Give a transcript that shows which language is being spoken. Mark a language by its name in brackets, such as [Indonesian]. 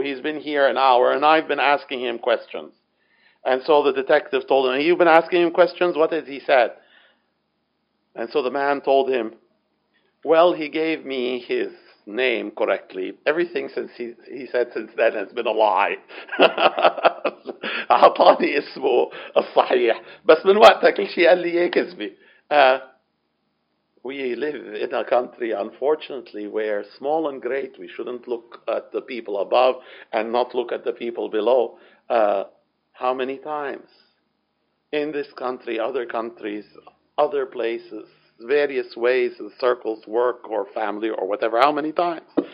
[English] He's been here an hour, and I've been asking him questions. And so the detective told him, you've been asking him questions? What has he said? And so the man told him, well, he gave me his name correctly. Everything since he said since then has been a lie. [Arabic] أعطاني اسمه الصحيح بس من وقتها كل شيء قال لي إيه كذبي. [English] We live in a country, unfortunately, where small and great, we shouldn't look at the people above and not look at the people below. How many times in this country, other countries, other places, various ways and circles, work or family or whatever, how many times?